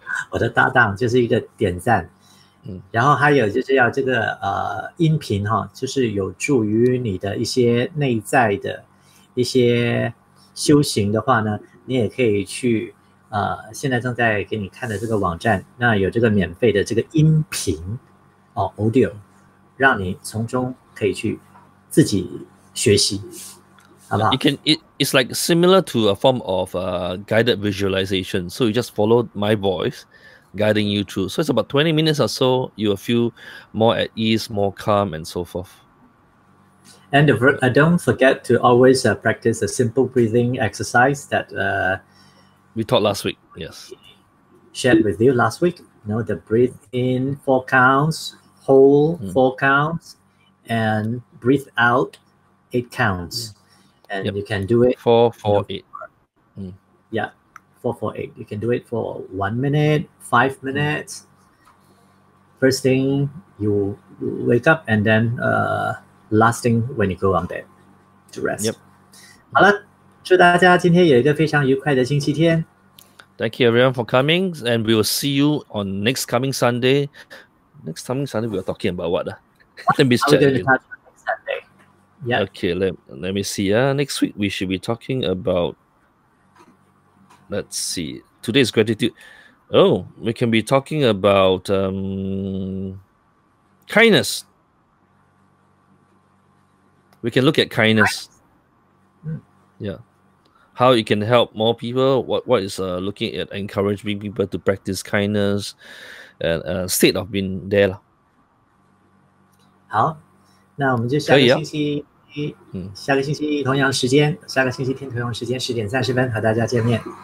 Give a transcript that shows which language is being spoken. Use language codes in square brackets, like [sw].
[zh] 我的搭档就是一个点赞，然后还有就是要这个音频哈，就是有助于你的一些内在的一些修行的话呢，你也可以去现在正在给你看的这个网站，那有这个免费的这个音频哦 ，audio， 让你从中可以去自己学习，好不好？ [en] It's like similar to a form of guided visualization. So you just follow my voice guiding you through. So it's about 20 minutes or so. You will feel more at ease, more calm, and so forth. And don't forget to always practice a simple breathing exercise that we taught last week. Yes. Shared with you last week. You know, the breathe in 4 counts, hold 4 counts, and breathe out 8 counts. Mm. And you can do it 4, 4, 8. Yeah, 4, 4, 8. You can do it for 1 minute, 5 minutes. First thing you wake up, and then last thing when you go on bed to rest. Yep. [zh] 好了，祝大家今天有一个非常愉快的星期天。 [en] Thank you everyone for coming, and we will see you on next coming Sunday. Next coming Sunday, we are talking about what? Let me check. Yeah. Okay, let me see. Next week we should be talking about, let's see, today's gratitude. Oh, we can be talking about kindness. We can look at kindness. Yeah. How it can help more people. What is looking at encouraging people to practice kindness and state of being there. [zh] 好，那我们就下个星期。下个星期一同样时间，下个星期天同样时间10:30和大家见面。